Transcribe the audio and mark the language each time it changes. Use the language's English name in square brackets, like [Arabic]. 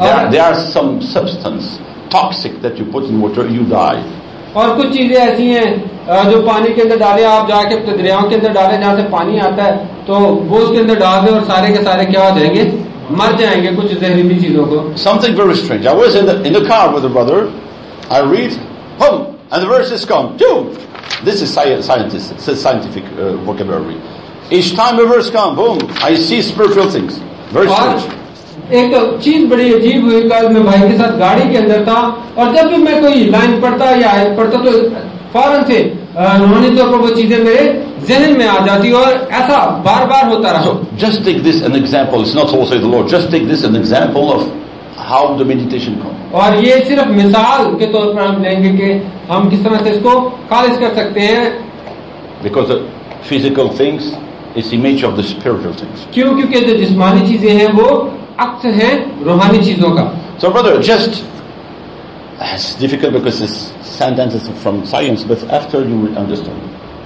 [English] There are some substance toxic that you put in water, you die. [Hindi] और कुछ चीजें ऐसी हैं जो पानी के अंदर डाले आप जाके दरियाओं के अंदर डाले जहां से पानी आता है तो वो उसके अंदर डाल दे और सारे के सारे क्या हो जाएंगे मर जाएंगे कुछ जहरीली चीजों को. [English] Something very strange. I was in the car with a brother. I read, boom, and the verses come, boom. This is scientific vocabulary. Each time a verse comes, boom, I see spiritual things. Very strange. [Hindi] एक चीज बड़ी अजीब हुई कल मैं भाई के साथ गाड़ी के अंदर था और जब भी मैं कोई लाइन पढ़ता या आयत पढ़ता तो फौरन से रूहानी तौर पर वो चीजें मेरे जहन में आ जाती और ऐसा बार बार होता रहा. [English] Just take this an example. It's not also the Lord. Just take this an example of how the meditation comes. [Hindi] और ये सिर्फ मिसाल के तौर पर हम लेंगे कि हम किस तरह से इसको खालिज कर सकते हैं. [English] Because the physical things is image of the spiritual things. [Hindi] क्यों? क्योंकि जो जिस्मानी चीजें हैं वो अक्स हैं रूहानी चीजों का. [English] So brother, just it's difficult because this sentence is from science, but after you will understand.